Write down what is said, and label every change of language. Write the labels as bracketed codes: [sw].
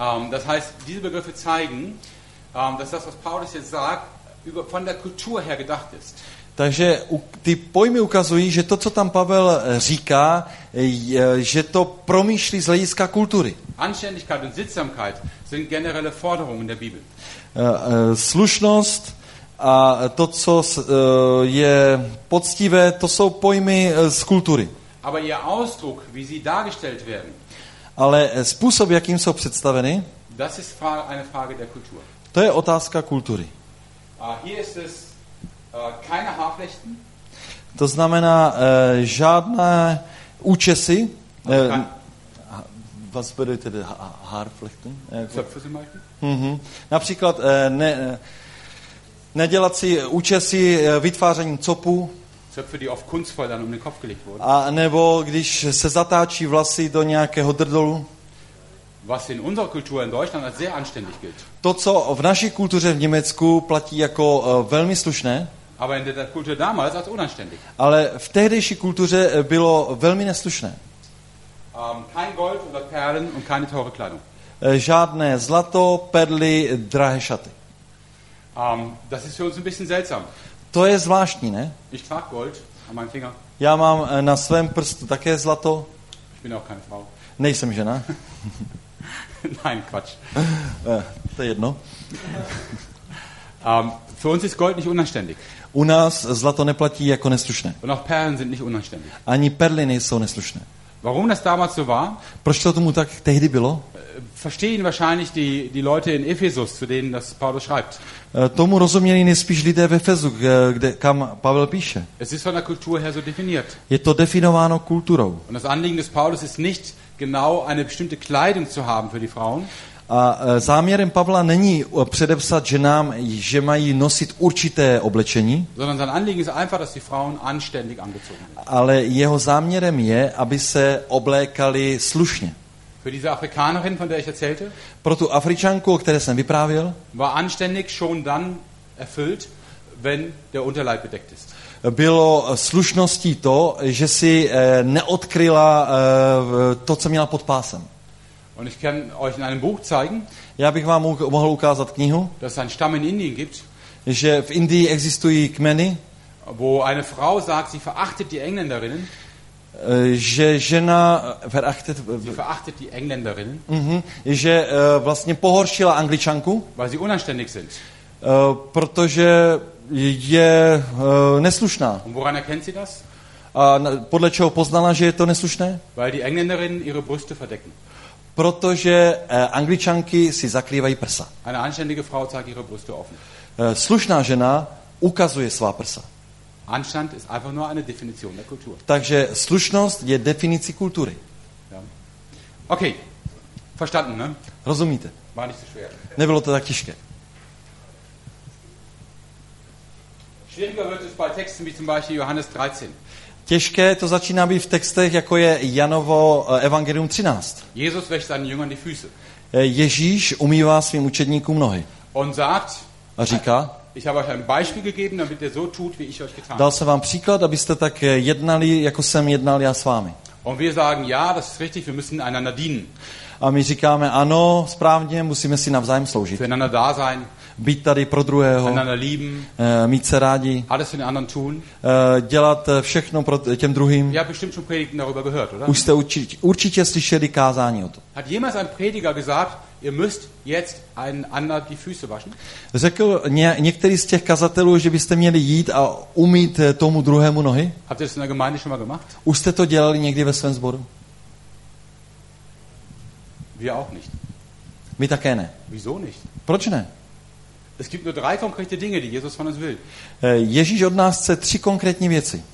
[de] Das heißt, diese Begriffe zeigen, dass das, was Paulus jetzt sagt, von der Kultur her gedacht ist. [cs] Takže ty pojmy ukazují, že to, co tam Pavel říká, že to promýšlí z hlediska kultury. [de] Anständigkeit und Sittsamkeit sind generelle Forderungen der Bibel. [cs] Slušnost a to, co je poctivé, to jsou pojmy z kultury. [de] Aber ihr Ausdruck, wie sie dargestellt werden. [cs] Ale způsob, jakým jsou představeny, [de] das ist eine Frage der Kultur. [cs] To je otázka kultury. [de] Hier ist es keine Haarflechten. [cs] To znamená žádné účesy. [de] Was bedeutet Haarflechten? Zöpfe zum Beispiel? [cs] Například nedělat si účesy vytváření copů. [de] Zöpfe, die oft kunstvoll dann um den Kopf gelegt wurden. [cs] A nebo když se zatáčí vlasy do nějakého drdolu. [de] Was in unserer Kultur in Deutschland als sehr anständig gilt. [cs] To, co v naší kultuře v Německu platí jako velmi slušné. [de] Aber in der Kultur damals als unanständig. [cs] Ale v tehdejší kultuře bylo velmi neslušné. [de] Kein Gold oder Perlen und keine teure Kleidung. [cs] Žádné zlato, perly, drahé šaty. [de] Das ist für uns ein bisschen seltsam. [cs] To je zvláštní, ne? [de] Ich trage Gold an meinem Finger. [cs] Já mám na svém prstu také zlato. [de] Ich bin auch keine Frau. [cs] Nejsem žena. [de] Nein, Quatsch. [cs] To je jedno. [de] Für uns ist Gold nicht unanständig. [cs] U nás zlato neplatí jako neslušné. [de] Und auch Perlen sind nicht unanständig. [cs] Ani perly nejsou neslušné. [de] Warum das damals so war? [cs] Proč to tomu tak tehdy bylo? [de] Verstehen wahrscheinlich die Leute in Ephesus, zu denen das Paulus schreibt. [cs] Tomu rozuměli nejspíš lidé v Efezu, kde kam Pavel píše. [de] Es ist von der Kultur her so definiert. [cs] Je to definováno kulturou. [de] Und das Anliegen des Paulus ist nicht genau eine bestimmte Kleidung zu haben für die Frauen. [cs] A záměrem Pavla není předepsat ženám, že mají nosit určité oblečení, [de] sondern sein Anliegen ist einfach, dass die Frauen anständig angezogen werden. [cs] Ale jeho záměrem je, aby se oblékali slušně. [de] Für diese Afrikanerin, von der ich erzählte, [cs] pro tu Afričanku, o které jsem vyprávěl, [de] war anständig schon dann erfüllt, wenn der Unterleib bedeckt ist. [cs] Bylo slušností to, že si neodkryla to, co měla pod pásem. [de] Und ich kann euch in einem Buch zeigen. [cs] Já bych vám mohl ukázat knihu. [de] Dass es einen Stamm in Indien gibt. [cs] Že v Indii existují kmeny. [de] Wo eine Frau sagt, sie verachtet die Engländerinnen. [cs] Že žena [de] verachtet. Sie verachtet die Engländerinnen. [cs] Že vlastně pohoršila Angličanku. [de] Weil sie unanständig sind. [cs] Protože je neslušná. [de] Und woran erkennt sie das? [cs] A podle čeho poznala, že je to neslušné? [de] Weil die Engländerinnen ihre Brüste verdecken. [cs] Protože Angličanky si zakrývají prsa. [de] Eine anständige Frau zeigt ihre Brüste offen. [cs] Slušná žena ukazuje svá prsa. [de] Anstand ist einfach nur eine Definition der Kultur. [cs] Takže slušnost je definicí kultury. [de] Ja. Okay. Verstanden, ne? [cs] Rozumíte? [de] War nicht so schwer. [cs] Nebylo to tak těžké. [de] Schwieriger wird es bei Texten wie zum Beispiel Johannes 13. [cs] Těžké to začíná být v textech, jako je Janovo Evangelium 13. [de] Jesus wäscht seinen Jüngern die Füße. [cs] Ježíš umývá svým učedníkům nohy. [de] Und sagt, [cs] a říká, [de] ich habe euch ein Beispiel gegeben, damit ihr so tut, wie ich euch getan habe. [cs] Dal jsem vám příklad, abyste tak jednali, jako jsem jednal já s vámi. [de] Und wir sagen, ja, das ist richtig, wir müssen einander dienen. [cs] A my říkáme, ano, správně, musíme si navzájem sloužit. [de] Für einander da sein. [cs] Být tady pro druhého, [de] lieben, [cs] mít se rádi, [de] alles für den anderen tun, [cs] dělat všechno pro těm druhým. [de] Ja, bestimmt schon Predigten darüber gehört, oder? [cs] Už jste určitě slyšeli kázání o to. [de] Hat jemals ein Prediger gesagt, ihr müsst jetzt einen anderen die Füße waschen? [cs] Řekl některý z těch kazatelů, že byste měli jít a umýt tomu druhému nohy? [de] Habt ihr das in der Gemeinde schon mal gemacht? [cs] Už jste to dělali někdy ve svém sboru? [de] Wir auch nicht. [cs] My také ne. [de] Wieso nicht? [cs] Proč ne? [de] Es gibt nur drei konkrete Dinge, die Jesus von uns will. [cs] Ježíš od nás chce tři konkrétní věci.